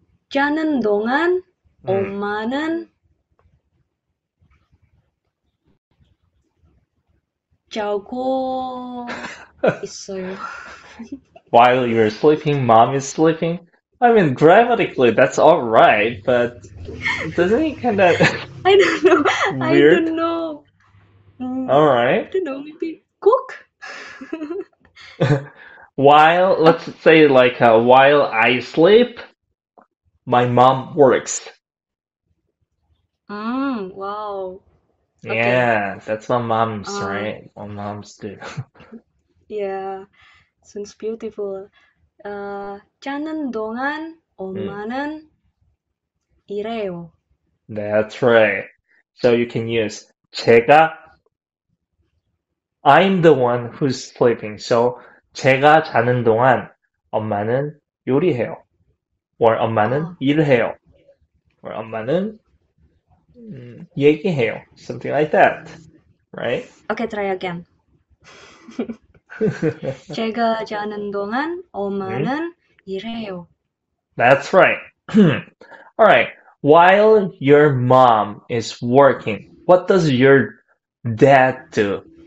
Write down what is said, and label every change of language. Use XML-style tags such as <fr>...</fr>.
<ko>자는 동안 엄마는 자고 있어요.</ko> <en>While you're sleeping, mom is sleeping. I mean, grammatically, that's all right, but doesn't it kind of I don't weird? know. All right. I don't know. Maybe cook. While, let's say, like, while I sleep, my mom works. Wow. Okay. Yeah, that's what moms, right? What moms do. Yeah. Sounds beautiful.</en> <ko>자는 동안 엄마는 이래요.</ko> <en>That's right. So you can use</en> <ko>제가,</ko> <en>I'm the one who's sleeping.</en> <ko>So 제가 자는 동안 엄마는 요리해요. Or 엄마는 일해요. Or 엄마는 얘기해요.</ko> <en>Something like that, right? Okay, try again.</en> <ko>제가 자는 동안 엄마는 이래요.</ko> <en>That's right. All right. While your mom is working, what does your dad do?</en>